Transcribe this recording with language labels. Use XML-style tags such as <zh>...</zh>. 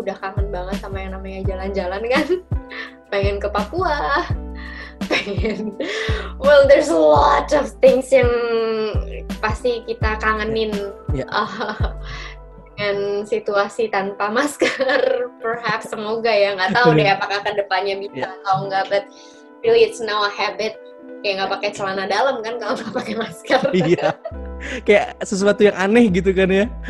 <id>Udah kangen banget sama yang namanya jalan-jalan kan. Pengen ke Papua.</id> <en>Well, there's a lot of things</en> <id>yang pasti kita kangenin. Dengan situasi tanpa masker, perhaps, semoga ya, nggak tahu deh apakah kedepannya bisa atau nggak.</id> <en>But really, it's now a habit.</en> <id>Kayak nggak pakai celana dalam kan, kalau nggak pakai masker. Iya. Yeah. Kayak sesuatu yang aneh gitu kan ya.</id>